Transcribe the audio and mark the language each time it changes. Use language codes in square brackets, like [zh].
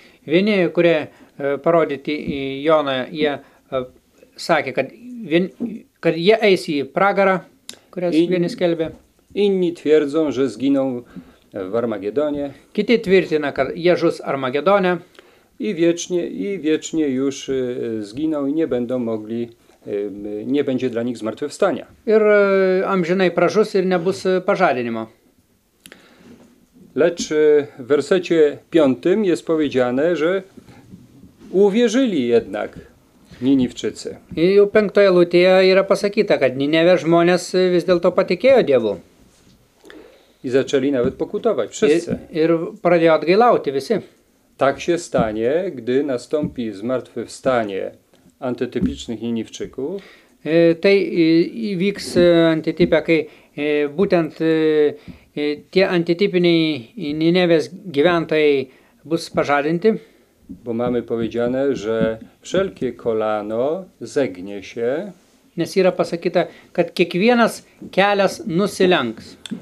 [lt] Vieni, kurie parodyti į Joną, jie sakė, kad jie eis į pragarą, kurias vieni skelbė. [pl] Inni twierdzą, że zginą w Armagedonie. [lt] Kiti tvirtina, kad jie žus Armagedone. [pl] I wiecznie już zginą i nie będą mogli, nie będzie dla nich zmartwychwstania. [lt] Ir amžinai pražus ir nebus pažadinimo. [pl] Lecz w wersecie 5 jest powiedziane, że uwierzyli jednak Niniwczycy. [lt] I w 5 eilutėje yra pasakyta, kad Ninevės žmonės vis dėlto patikėjo Dievu. [pl] I zaczęli nawet pokutować wszyscy. [lt] Ir pradėjo atgailauti visi. [pl] Tak się stanie, gdy nastąpi zmartwychwstanie antytypicznych Niniwczyków. [lt] Tai įvyks antitype, kai būtent tie antitypiniai Ninevės gyventojai bus pažadinti. [pl] Bo mamy powiedziane, że wszelkie kolano zegnie się. [lt] Nes yra pasakyta, kad kiekvienas kelias nusilenks.